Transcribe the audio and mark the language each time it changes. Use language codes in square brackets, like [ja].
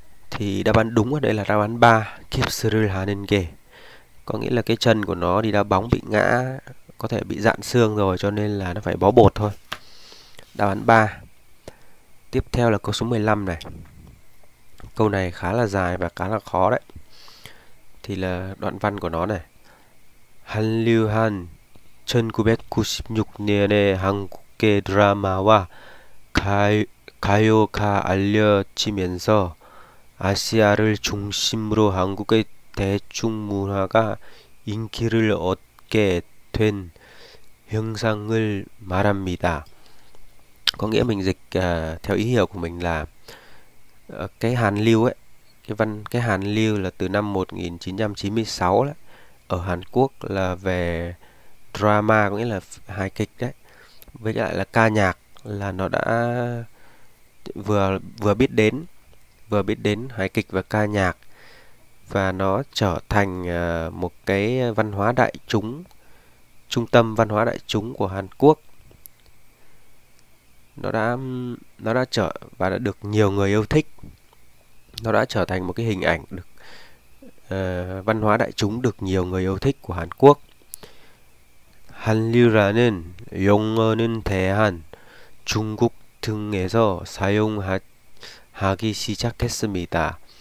[vi] Thì đáp án đúng ở đây là đáp án 3, kipsurul hanin ghê, có nghĩa là cái chân của nó đi đá bóng bị ngã, có thể bị dạn xương rồi, cho nên là nó phải bó bột thôi. Đáp án 3. Tiếp theo là câu số 15 này. Câu này khá là dài và khá là khó đấy. Thì là đoạn văn của nó này. [ko] Han Liu Han 1996년에 한국계 드라마와 가요가 알려지면서 아시아를 중심으로 한국의 대중 문화가 인기를 얻게 된 현상을 말합니다. [vi] có nghĩa mình dịch theo ý hiểu của mình là cái Hàn Lưu ấy, cái Hàn Lưu là từ năm 1996 đấy, ở Hàn Quốc là về drama, có nghĩa là hài kịch đấy, với lại là ca nhạc, là nó đã vừa vừa biết đến, hài kịch và ca nhạc, và nó trở thành một cái văn hóa đại chúng, trung tâm văn hóa đại chúng của Hàn Quốc. Nó đã trở và đã được nhiều người yêu thích. Nó đã trở thành một cái hình ảnh được văn hóa đại chúng được nhiều người yêu thích của Hàn Quốc. [ko] Hallyu라는 용어는 대한 중국 등에서 사용하기 시작했습니다.